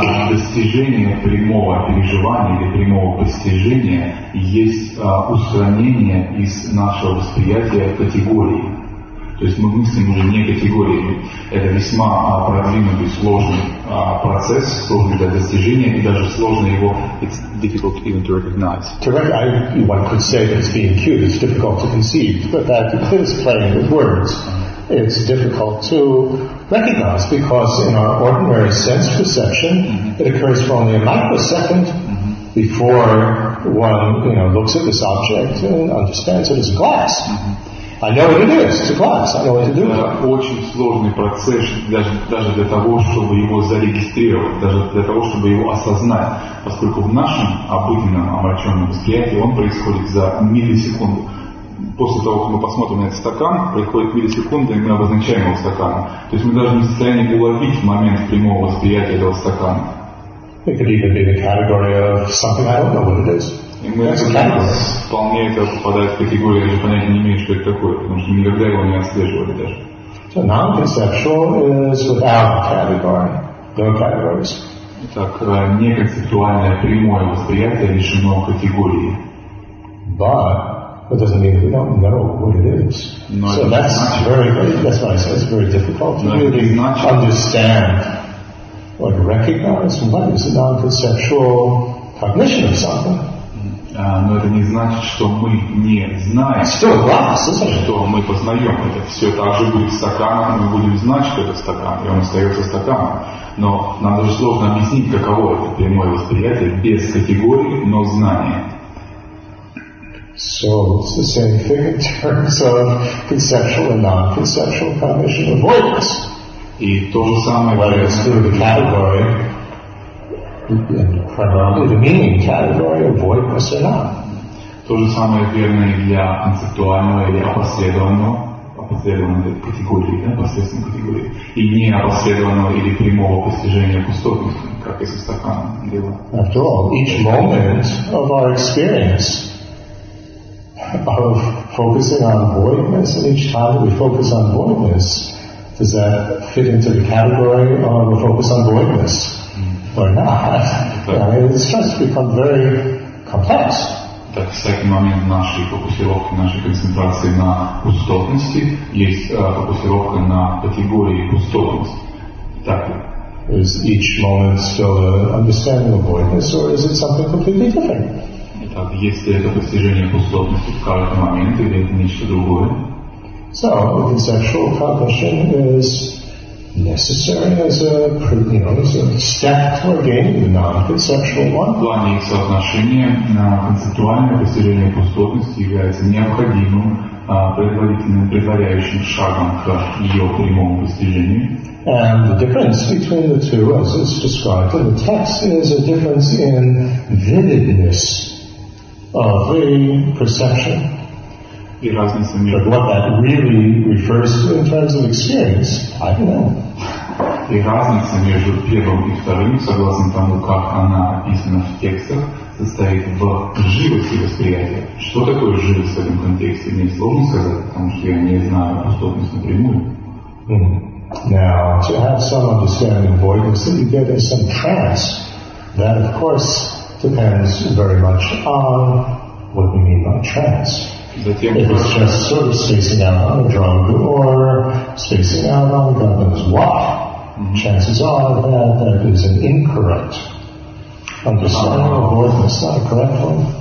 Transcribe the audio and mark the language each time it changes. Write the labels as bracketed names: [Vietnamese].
[Russian] Достижение прямого переживания или прямого постижения есть устранение из нашего восприятия категории. То есть мы мыслим уже не категориями. Это весьма продвинутый, сложный процесс, сложный для достижения, и даже сложно его... [English] It's difficult even to recognize. One could say that it's being cute, it's difficult to conceive, but that is playing with words. It's difficult to recognize because in our ordinary sense perception it occurs for only a microsecond before one, you know, looks at this object and understands it as a glass. I know what it is, it's a glass, I know what to do. [Russian] Очень сложный процесс даже для того, чтобы его зарегистрировать, даже для того, чтобы его осознать, поскольку в нашем обыденном омраченном восприятии он происходит за миллисекунду. После того, как мы посмотрим на этот стакан, приходит миллисекунда, и мы обозначаем его стаканом. То есть мы даже не в состоянии уловить момент прямого восприятия этого стакана. [English] It could even be the category of something I don't know what it is. [Russian] И мы вполне это попадает в категорию, я же понятия не имею, что это такое, потому что никогда его не отслеживали даже. [English] So non-conceptual is without category. No categories. [Russian] Итак, неконцептуальное прямое восприятие лишено категории. [English] But it doesn't mean we don't know what it is. No, so that's [Russian] значит. [English] That's why I say it's very difficult to really understand or to recognize what is a non-conceptual cognition of something. [Russian] Но это не значит, что мы не знаем, что мы познаем это. Все также будет стаканом, мы будем знать, что это стакан, и он остается стаканом. Но нам даже сложно объяснить, каково это прямое восприятие без категории, но знания. [English] So it's the same thing in terms of conceptual and non-conceptual cognition of words. [Russian] И то же самое, [English] whether it's through the category, primarily the meaning category of voidness or not. [Russian] То же самое верно и для концептуального или опосредованного категории, да, посредственной категории, и не опосредованного или прямого постижения пустотности, как и со стаканом дела. [English] After all, each moment of our experience of focusing on voidness, and each time that we focus on voidness, does that fit into the category of a focus on voidness or not? It's just become very complex. [Russian] Так, всякий момент нашей фокусировки, нашей концентрации на пустотности, есть фокусировка на категории пустотности. Так. [English] Is each moment still an understanding of voidness, or is it something completely different? [Russian] Так, если это постижение пустотности в каждый момент или это нечто другое? [English] So, the conceptual cognition is necessary as a, you know, as a step toward gaining the non-conceptual one. [Russian] В плане их соотношения на концептуальное постижение пустотности является необходимым предварительным предваряющим шагом к ее прямому постижению. [English] And the difference between the two, as it's described in the text, is a difference in vividness of the perception. [Russian] И разница между... [English] But what that really refers to in terms of experience, I don't know. [Russian] И разница между первым и вторым, согласно тому, как она описана в текстах, состоит в живости восприятия. Что такое живость в этом контексте? Мне сложно сказать, потому что я не знаю пустотность напрямую. [English] Now, to have some understanding of voidness, that you get in some trance, that of course depends very much on what we mean by trance. [Russian] Затем, [English] if it's just sort of spacing out on a drug or spacing out on God knows what, chances are that that is an incorrect understanding of voidness, not a correct one.